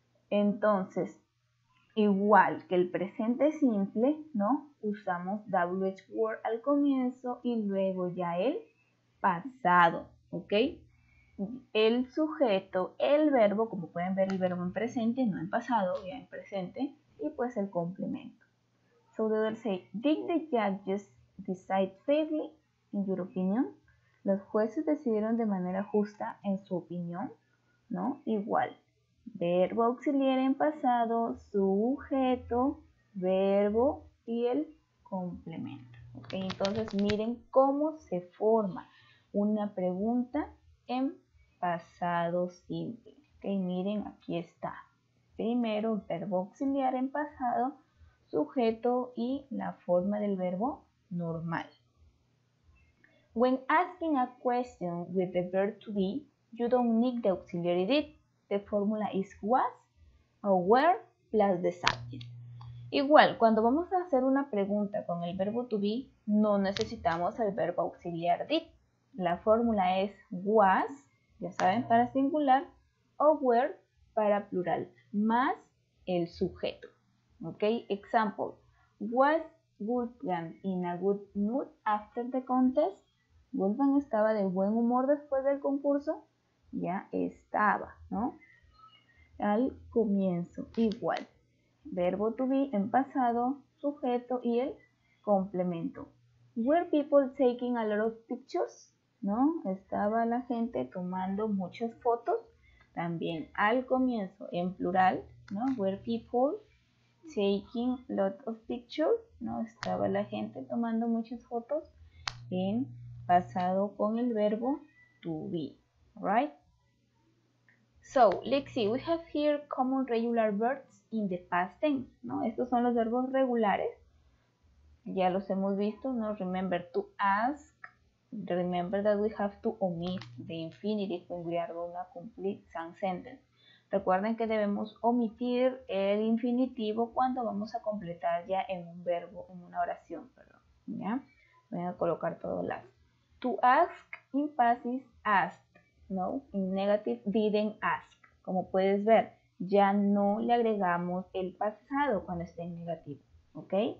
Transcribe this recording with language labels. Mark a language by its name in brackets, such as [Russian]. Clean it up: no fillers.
[Spanish] Entonces, igual que el presente simple, ¿no? Usamos WH word al comienzo y luego ya el pasado, ¿ok? El sujeto, el verbo, como pueden ver el verbo en presente, no en pasado, ya en presente, y pues el complemento. [English] So they will say, did the judges decide fairly in your opinion? [Spanish] ¿Los jueces decidieron de manera justa en su opinión? ¿No? Igual. Verbo auxiliar en pasado, sujeto, verbo y el complemento. ¿Okay? Entonces miren cómo se forma una pregunta en pasado simple. ¿Okay? Miren, aquí está. Primero, verbo auxiliar en pasado, sujeto y la forma del verbo normal. [English] When asking a question with the verb to be, you don't need the auxiliary did. The formula is was o were plus the subject. [Spanish] Igual, cuando vamos a hacer una pregunta con el verbo to be, no necesitamos el verbo auxiliar did. La fórmula es was, ya saben, para singular, o were para plural, más el sujeto. [English] Ok, example. Was Wolfgang in a good mood after the contest? [Spanish] ¿Wolfgang estaba de buen humor después del concurso? Ya estaba, ¿no? al comienzo. Igual, verbo to be en pasado, sujeto y el complemento. [English] Were people taking a lot of pictures? ¿No? [Spanish] ¿Estaba la gente tomando muchas fotos? También al comienzo, en plural, ¿no? [English] Were people taking lot of pictures? ¿No? [Spanish] ¿Estaba la gente tomando muchas fotos? En pasado con el verbo to be. [English] Right? So, let's see. We have here common regular verbs in the past tense, ¿no? [Spanish] Estos son los verbos regulares. Ya los hemos visto, ¿no? [English] Remember to ask. Remember that we have to omit the infinitive when we are going to complete some sentence. [Spanish] Recuerden que debemos omitir el infinitivo cuando vamos a completar ya en un verbo, en una oración, perdón. ¿Ya? Voy a colocar todo [English] last. To ask in past is asked, ¿no? In negative, didn't ask. [Spanish] Como puedes ver, ya no le agregamos el pasado cuando esté en negativo, ¿ok?